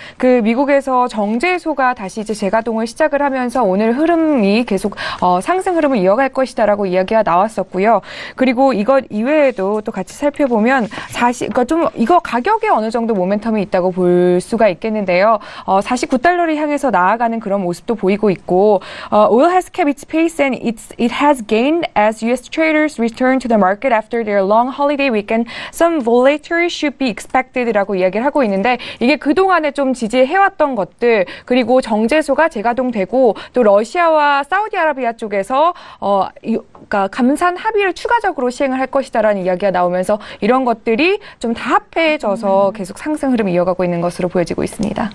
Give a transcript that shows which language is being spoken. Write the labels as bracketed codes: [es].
[ko] 그 미국에서 정제소가 다시 이제 재가동을 시작을 하면서 오늘 흐름이 계속 상승 흐름을 이어갈 것이다라고 이야기가 나왔었고요. 그리고 이것 이외에도 또 같이 살펴보면 이거 가격에 어느 정도 모멘텀이 있다고 볼 수가 있겠는데요. 49달러를 향해서 나아가는 그런 모습도 보이고 있고 [en] oil has kept its pace and it has gained as US traders return to the market after their long holiday weekend. Some volatility should be expected [ko] 라고 이야기를 하고 있는데 이게 그동안에 좀 지지해왔던 것들 그리고 정제소가 재가동되고 또 러시아와 사우디아라비아 쪽에서 그러니까 감산 합의를 추가적으로 시행을 할 것이다라는 이야기가 나오면서 이런 것들이 좀 다 합해져서 계속 상승 흐름이 이어가고 있는 것으로 보여지고 있습니다.